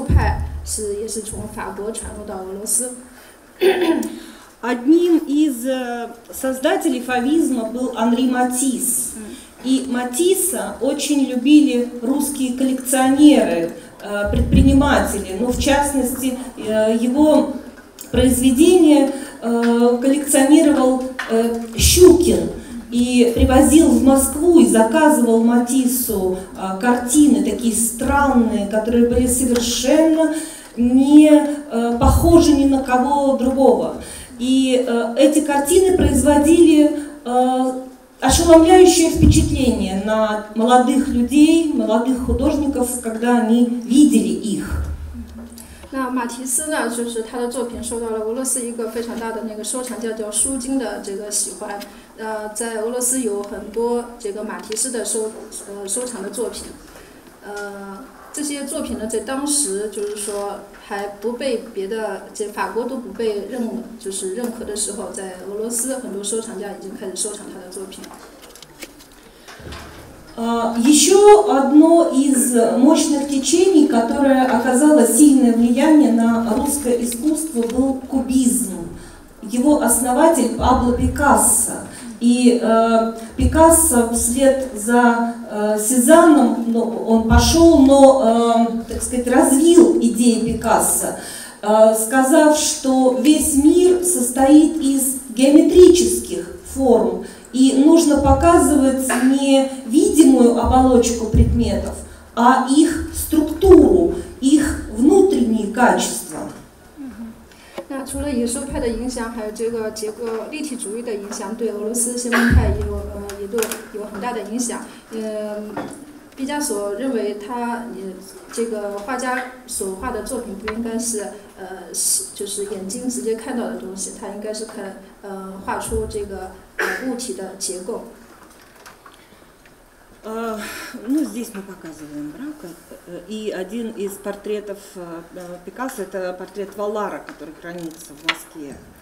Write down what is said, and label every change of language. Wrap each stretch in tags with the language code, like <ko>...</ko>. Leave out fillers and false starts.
<zh>那我们知道，在十二世纪末、十九世纪末、二十世纪初呢，这个野兽派也是从法国传入到俄罗斯。</zh> <ru>Одним из создателей фавизма был Анри Матисс. И Матисса очень любили русские коллекционеры, предприниматели, но в частности его произведение коллекционировал Щукин и привозил в Москву и заказывал Матиссу картины, такие странные, которые были совершенно не похожи ни на кого другого. И эти картины производили ошеломляющее впечатление на молодых людей, молодых художников, когда они видели их.</ru> <zh>那马提斯呢，就是他的作品受到了俄罗斯一个非常大的那个收藏家叫舒金的这个喜欢。在俄罗斯有很多这个马提斯的收藏的作品，这些作品呢在当时就是说还不被别的这法国都不被认可的时候，在俄罗斯很多收藏家已经开始收藏他的作品。</zh> <ru>Еще одно из мощных течений, которое оказало сильное влияние на русское искусство, был кубизм. Его основатель Пабло Пикассо. И Пикассо вслед за Сезанном, ну, он пошел, но, так сказать, развил идеи Пикассо, сказав, что весь мир состоит из геометрических форм, и нужно показывать не видимую оболочку предметов, а их структуру, их внутренние качества.</ru> <zh>那除了野兽派的影响，还有这个结构立体主义的影响，对俄罗斯现代派也有很大的影响。毕加索认为他这个画家所画的作品不应该是就是眼睛直接看到的东西，他应该是可以画出这个物体的结构。</zh> <ru>Ну, здесь мы показываем Брака, и один из портретов Пикассо – это портрет Валлара, который хранится в Москве.</ru>